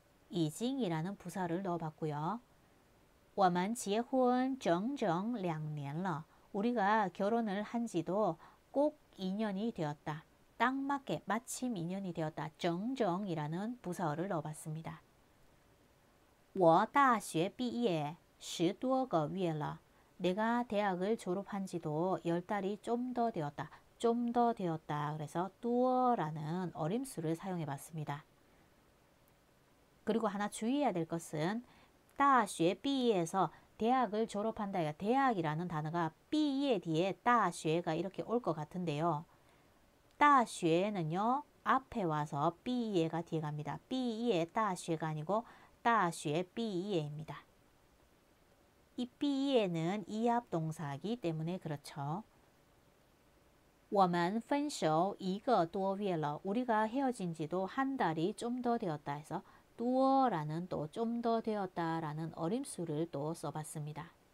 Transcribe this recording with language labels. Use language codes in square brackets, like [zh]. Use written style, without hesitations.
[ko] 已经이라는 부사를 넣어봤고요. [zh] 我们结婚整整两年了. [ko] 우리가 결혼을 한 지도 꼭 2년이 되었다. 딱 맞게 마침 2년이 되었다. 정정이라는 부사어를 넣어봤습니다. [zh] 我大学毕业十多个月了. [ko] 내가 대학을 졸업한 지도 열 달이 좀더 되었다. 좀더 되었다. 그래서 多라는 어림수를 사용해봤습니다. 그리고 하나 주의해야 될 것은 大学毕业에서 대학을 졸업한다. 대학이라는 단어가 毕业 뒤에 大学가 이렇게 올것 같은데요. 大学는요, 앞에 와서 毕业가 뒤에 갑니다. 毕业 大学가 아니고 大学毕业입니다. 이 毕业는 이합 동사이기 때문에 그렇죠. [zh] 我们分手一个多月了. [ko] 우리가 헤어진 지도 한 달이 좀더 되었다 해서 多라는 또 좀 더 되었다라는 어림수를 또 써봤습니다.